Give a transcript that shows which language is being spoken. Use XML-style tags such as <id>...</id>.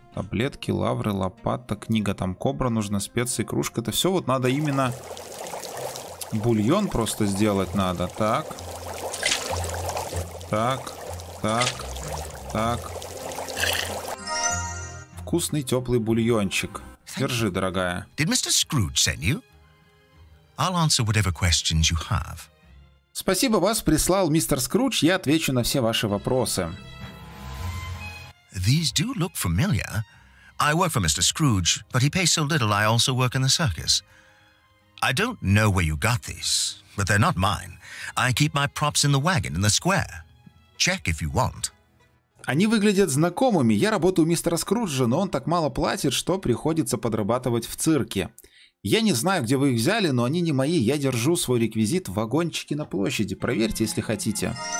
<ru>Таблетки, лавры, лопата, книга, там кобра нужна, специи, кружка. Это все вот надо именно Бульон просто сделать надо. Так. Так. Так. Так. Вкусный теплый бульончик. Держи, дорогая.</ru> <en>Did Mr. Scrooge send you? I'll answer whatever questions you have.</en> <ru>Спасибо, вас прислал мистер Скрудж. Я отвечу на все ваши вопросы.</ru> <en>These do look familiar. I work for Mr. Scrooge, but he pays so little, I also work in the circus. I don't know where you got these, but they're not mine. I keep my props in the wagon in the square. Check if you want.</en> <ru>Они выглядят знакомыми. Я работаю у мистера Скруджа, но он так мало платит, что приходится подрабатывать в цирке. Я не знаю, где вы их взяли, но они не мои. Я держу свой реквизит в вагончике на площади. Проверьте, если хотите.</ru>